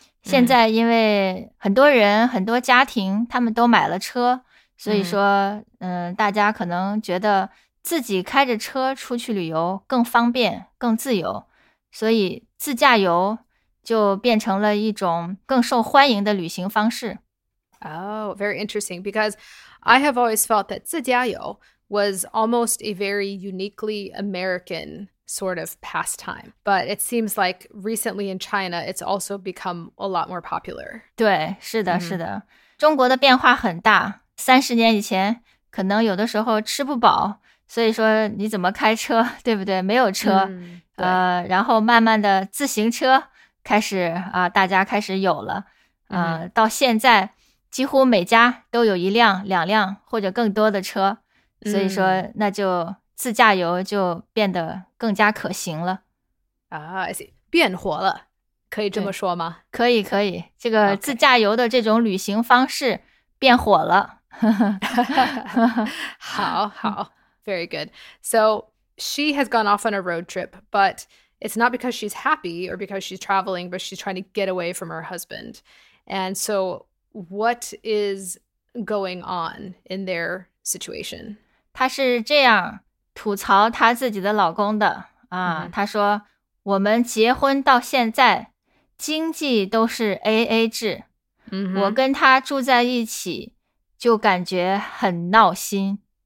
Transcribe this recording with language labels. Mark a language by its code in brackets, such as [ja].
[zh] 现在因为很多人很多家庭他们都买了车，所以说大家可能觉得自己开着车出去旅游更方便更自由，所以自驾游就变成了一种更受欢迎的旅行方式。 [en] Oh, very interesting, because I have always felt that 自驾游 was almost a very uniquely AmericanSort of pastime. But it seems like recently in China, it's also become a lot more popular. [zh] 对，是的，是的。中国的变化很大，三十年以前，可能有的时候吃不饱，所以说你怎么开车，对不对？没有车，然后慢慢的自行车开始，大家开始有了，到现在，几乎每家都有一辆、两辆或者更多的车，所以说那就自驾游就变得更加可行了。 [en] I see. [zh] 变火了，可以这么说吗？可以可以，这个自驾游的这种旅行方式变火了。好好 [en] very good. So she has gone off on a road trip, but it's not because she's happy or because she's traveling, but she's trying to get away from her husband. And so what is going on in their situation? [zh] 她是这样吐槽她自己的老公的。她说我们结婚到现在经济都是 AA 制。我跟她住在一起就感觉很闹心。